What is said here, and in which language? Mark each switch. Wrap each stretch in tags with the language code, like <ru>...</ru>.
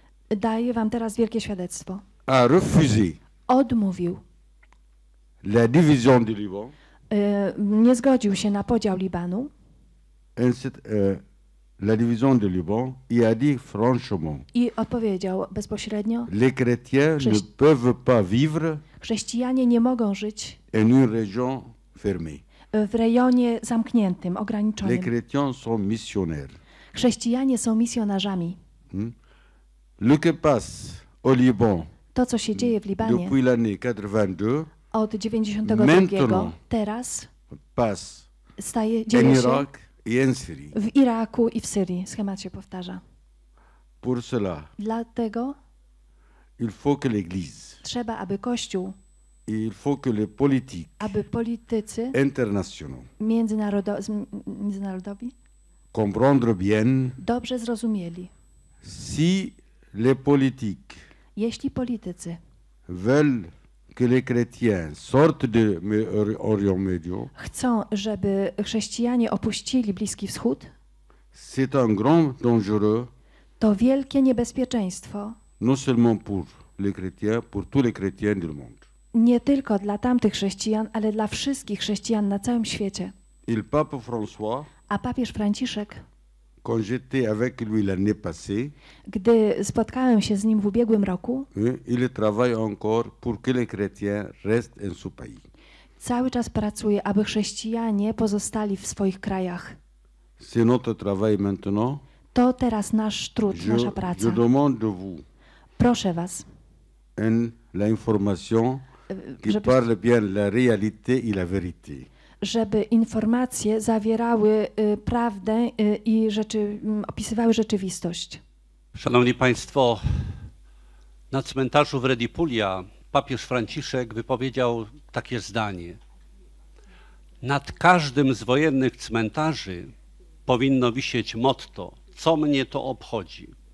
<pl>Daję wam teraz wielkie świadectwo.</pl> <fr>A refusé.</fr> <pl>Odmówił.</pl> <fr>La division du Liban.</fr> <pl>Nie zgodził się na podział Libanu.</pl> <fr>Et la division de Liban et a dit franchement.</fr> <pl>I odpowiedział bezpośrednio.</pl> <fr>Les chrétiens ne peuvent pas vivre.</fr> <pl>Chrześcijanie nie mogą żyć.</pl> <fr>En une région fermée.</fr> <pl>W rejonie zamkniętym, ograniczonym.</pl> <fr>Les chrétiens sont missionnaires.</fr> <pl>Chrześcijanie są misjonarzami.</pl> <fr>Le que passe au Liban.</fr> <pl>To co się dzieje w Libanie.</pl> <fr>Depuis l'année 82.</fr> <pl>Od 92. Teraz.</pl> <fr>Passe.</fr> <pl>Staje,</pl> <fr>en Irak i en Syrii.</fr> <pl>W Iraku i w Syrii. Schemat się powtarza.</pl> <fr>Pour cela,</fr> <pl>dlatego</pl> <fr>il faut que l'église,</fr> <pl>trzeba, aby Kościół,</pl> <fr>il faut que les politiques,</fr> <pl>aby politycy międzynarodowi</pl> <fr>comprendre bien,</fr> <pl>dobrze zrozumieli,</pl> <fr>si les politiques,</fr> <pl>jeśli politycy</pl> <fr>veulent que les chrétiens sortent de Orient Médio.</fr> <pl>Chcą, żeby chrześcijanie opuścili Bliski Wschód.</pl> <fr>C'est un grand dangereux.</fr> <pl>To wielkie niebezpieczeństwo.</pl> <fr>Non seulement pour les chrétiens, pour tous les chrétiens du monde.</fr> <pl>Nie tylko dla tamtych chrześcijan, ale dla wszystkich chrześcijan na całym świecie.</pl> <fr>Il pape François.</fr> <pl>A papież Franciszek.</pl> <fr>Quand j'étais avec lui l'année passée,</fr> <pl>gdy spotkałem się z nim w ubiegłym roku,</pl> <fr>il travaille encore pour que les chrétiens restent en son pays.</fr> <pl>Cały czas pracuje, aby chrześcijanie pozostali w swoich krajach.</pl> <fr>C'est notre travail maintenant.</fr> <pl>To teraz nasz trud, nasza praca.</pl> <fr>Je demande de vous,</fr> <pl>proszę was,</pl> <fr>en la information qui parle bien la réalité et la vérité.</fr> <pl>Żeby informacje zawierały prawdę i rzeczy, opisywały rzeczywistość. Szanowni Państwo, na cmentarzu w Redipulia papież Franciszek wypowiedział takie zdanie. Nad każdym z wojennych cmentarzy powinno wisieć motto, co mnie to obchodzi.</pl>